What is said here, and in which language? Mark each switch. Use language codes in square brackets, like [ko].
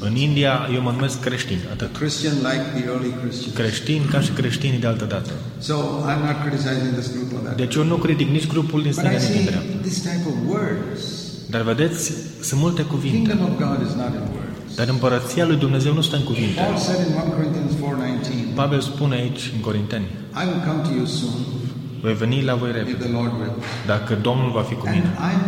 [ro] În India eu mă numesc creștin, atât. [en] A Christian like the early Christians. [ro] Creștin ca și creștinii de altă dată. [en] So, I'm not criticizing this group of that. [ro] Deci eu nu critic nici grupul din stânga, nici din dreapta. [en] This type of words. [ro] Dar vedeți, sunt multe cuvinte. [en] Kingdom of God is not in words. [ro] Dar împărăția lui Dumnezeu nu stă în cuvinte. [en] Paul said in 1 Corinthians 4:19. [ro] Pavel spune aici în Corinteni. [en] I will come to you soon. [ro] Voi veni la voi repede, dacă Domnul va fi cu mine.